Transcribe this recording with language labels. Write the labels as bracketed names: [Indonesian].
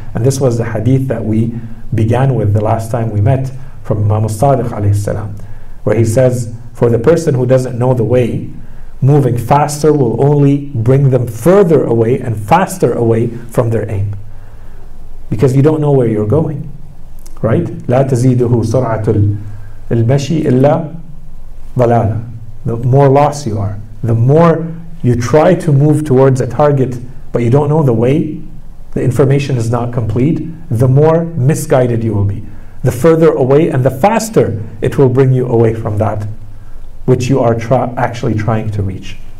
[English] And this was the hadith that we began with the last time we met, from Imam al-Sadiq alayhi salam, where he says, for the person who doesn't know the way, moving faster will only bring them further away and faster away from their aim. Because you don't know where you're going. Right? [Arabic] لا تزيده سرعة المشي إلا ضلالة. [English] The more lost you are, the more you try to move towards a target, but you don't know the way, the information is not complete, the more misguided you will be. The further away and the faster it will bring you away from that which you are actually trying to reach.